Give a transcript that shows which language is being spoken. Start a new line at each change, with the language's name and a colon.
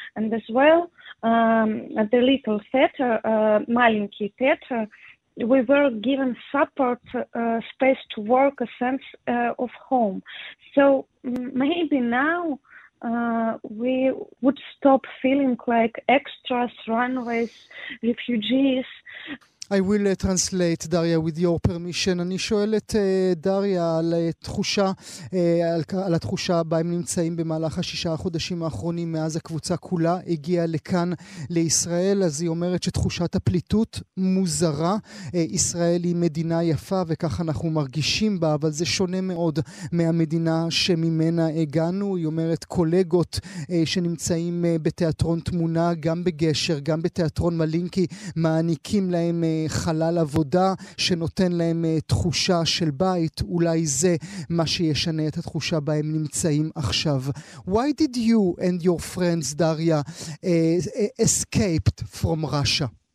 English: And as well, the little theater, Malinki Theater, we were given support, space to work, a sense of home. So maybe now we would stop feeling like extras, runaways, refugees. I will translate, Daria, with your permission.
Hebrew: אני שואל את דריה על התחושה, על התחושה בה הם נמצאים במהלך השישה החודשים האחרונים מאז הקבוצה כולה הגיעה לכאן לישראל. אז היא אומרת שתחושת הפליטות מוזרה. ישראל היא מדינה יפה וכך אנחנו מרגישים בה, אבל זה שונה מאוד מהמדינה שממנה הגענו. היא אומרת קולגות שנמצאים בתיאטרון תמונה, גם בגשר, גם בתיאטרון מלינקי, מעניקים להם חלל עבודה שנותן להם תחושה של בית. אולי זה מה שישנה את התחושה בה הם נמצאים עכשיו.
English: Why did you and your friends, Daria, escaped from Russia?